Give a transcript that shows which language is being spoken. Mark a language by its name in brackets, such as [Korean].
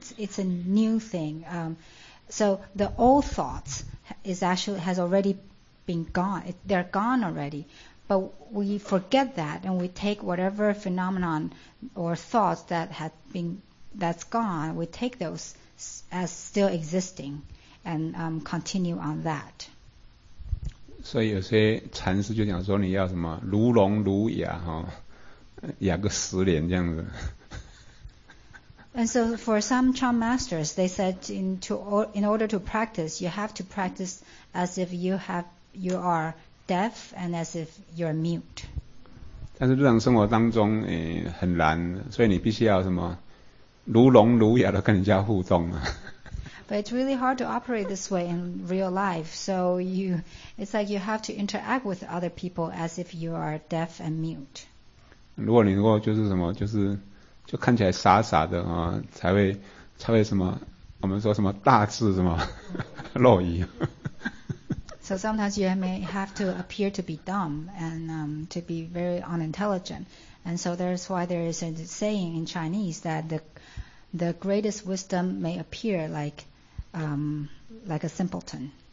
[English] It's a new thing. So the old thoughts has already been gone, they're gone already, but we forget that and we take whatever phenomenon or thoughts that had been that's gone, we take those as still existing and continue on that. [Chinese] 所以有些禅师就讲说你要什么如聋如哑哈，哑个十年这样子。 [English] And so for some Chan masters, they said in order to practice, you have to practice as if you are deaf and as if you're mute. [Chinese] 但是日常生活当中，很难，所以你必须要什么，如聋如哑的跟人家互动啊。 [English] But it's really hard to operate this way in real life. So it's like you have to interact with other people as if you are deaf and mute. [Chinese] 如果你如果就是什么，就看起来傻傻的啊，才会什么，我们说什么大智什么漏仪。 [English] So sometimes you may have to appear to be dumb and to be very unintelligent. And so that's why there is a saying in Chinese that the greatest wisdom may appear like a simpleton.